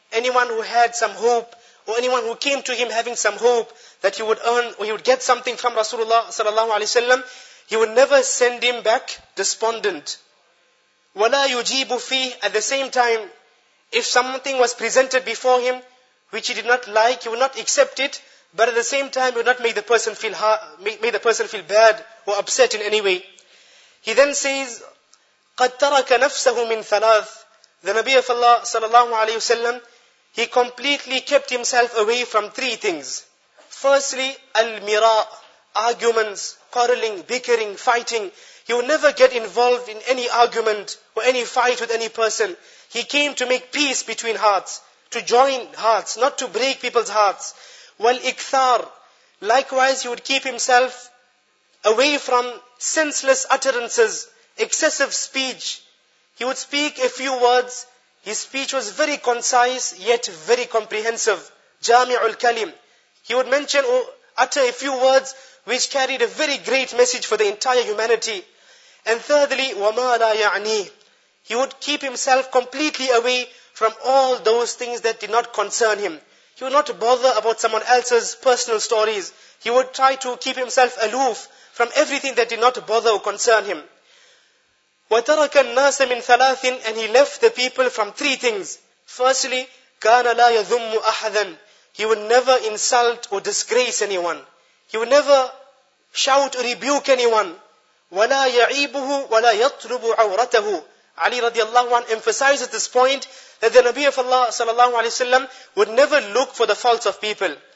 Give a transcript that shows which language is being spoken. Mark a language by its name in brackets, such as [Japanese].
[English] Anyone who had some hope, or anyone who came to him having some hope that he would earn or he would get something from Rasulullah sallallahu alayhi wa sallam, he would never send him back despondent. [Arabic] وَلَا يُجِيبُ فِيهِ. [English] At the same time, if something was presented before him which he did not like, he would not accept it, but at the same time he would not make the person feel bad or upset in any way. He then says, [Arabic] قَدْ تَرَكَ نَفْسَهُ مِنْ ثَلَاثِ. [English] The Nabi of Allah sallallahu alayhi wa sallam, he completely kept himself away from three things. Firstly, al-mira, arguments, quarreling, bickering, fighting. He would never get involved in any argument or any fight with any person. He came to make peace between hearts, to join hearts, not to break people's hearts. Wal-ikthar, likewise he would keep himself away from senseless utterances, excessive speech. He would speak a few words. His speech was very concise, yet very comprehensive, Jami'ul Kalim. He would mention or utter a few words which carried a very great message for the entire humanity. And thirdly, [Arabic] وَمَا لَا يَعْنِي. [English] He would keep himself completely away from all those things that did not concern him. He would not bother about someone else's personal stories. He would try to keep himself aloof from everything that did not bother or concern him. [Arabic] وَتَرَكَ النَّاسَ مِنْ ثَلَاثٍ. [English] And he left the people from three things. Firstly, [Arabic] كَانَ لَا يَذُمُّ أَحَدًا. [English] He would never insult or disgrace anyone. He would never shout or rebuke anyone. [Arabic] وَلَا يَعِيبُهُ وَلَا يَطْلُبُ عَوْرَتَهُ. [English] Ali radiallahu anhu emphasizes this point that the Nabi of Allah sallallahu alayhi wa sallam would never look for the faults of people.